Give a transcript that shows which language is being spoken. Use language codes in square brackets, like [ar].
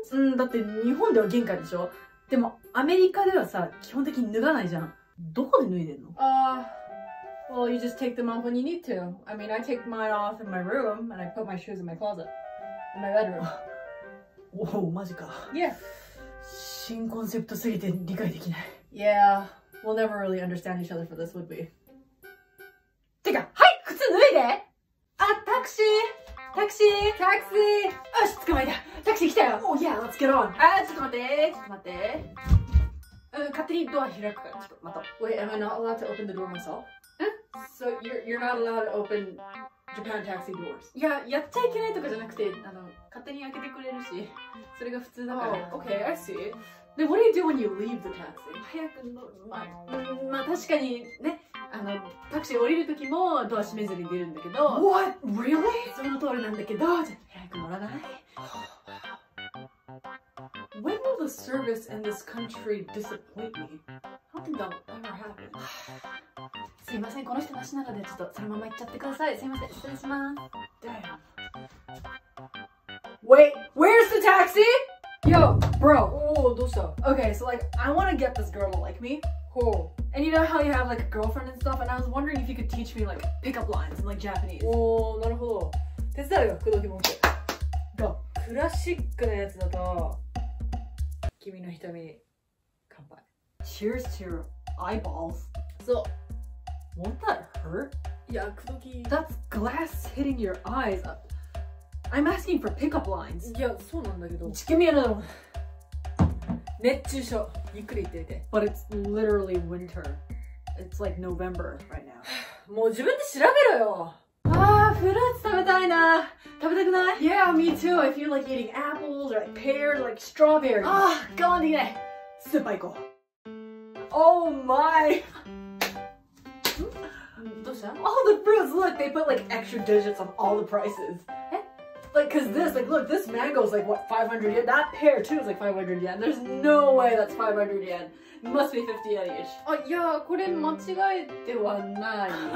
[ja] うん、だって日本では限界でしょ。でもアメリカではさ、基本的に脱がないじゃん。どこで脱いでんの？ [en] Well, you just take them off when you need to. I mean, I take mine off in my room, and I put my shoes in my closet. In my bedroom. [ja] Oh, マジか。 [en] Yeah. [ja] 新コンセプトすぎて理解できない。 [en] Yeah, we'll never really understand each other for this, would we? [ja] てか、はい、靴脱いで！あ、タクシー！タクシー！タクシー！よし、捕まえた！タクシー来たよ！ [en] Oh, yeah, let's get on! [ja] あ、ちょっと待って、ちょっと待って。勝手にドア開くから、ちょっと待った。 [en] Wait, am I not allowed to open the door myself? So you're not allowed to open Japan taxi doors? [ja] いや、やっちゃいけないとかじゃなくて、あの、勝手に開けてくれるし、それが普通だから。 [en] Oh, okay, I see. Then what do you do when you leave the taxi? [ja] 早く、まあ確かにね、あの、タクシー降りる時もドア閉めずに出るんだけど。 [en] What? Really? [ja] その通りなんだけど、じゃ早く乗らない？ [en] When will the service in this country disappoint me? How can that ever happen? [ja] すいません、この人なしなのでちょっとそのまま行っちゃってください。すいません、失礼します。 [en] Wait, where's the taxi? Yo, bro. [ja] Oh, どうした？ [en] Okay, so like, I want to get this girl to like me. Who? And you know how you have like a girlfriend and stuff, and I was wondering if you could teach me like pickup lines in like Japanese. [ja] Oh, なるほど。手伝うよ、口説き文句。Go. クラシックなやつだと、君の瞳に乾杯。 [en] Cheers to your eyeballs. So. Won't that hurt? Yeah, Kudoki. That's glass hitting your eyes. I'm asking for pickup lines. [ja] Yeah, そうなんだけど。 [en] Just give me another one. [ja] 熱中症。ゆっくり言っていて。 [en] But it's literally winter. It's like November right now. [ja] もう自分で調べろよ。ああ、フルーツ食べたいな。食べたくない？ [en] Yeah, me too. I feel like eating apples or like pears or like strawberries. [ja] ああ、我慢できない。スーパー行こう。 [en] Oh my. [ja] どうした？ [en] All the fruits, look, they put like extra digits on all the prices. [ja] え？ [en] Like, cause this, like, look, this mango is like, what, 500 yen? That pear too is like 500 yen. There's no way that's 500 yen. Must be 50 yen each. [ja] あ、いや、これ間違いではない。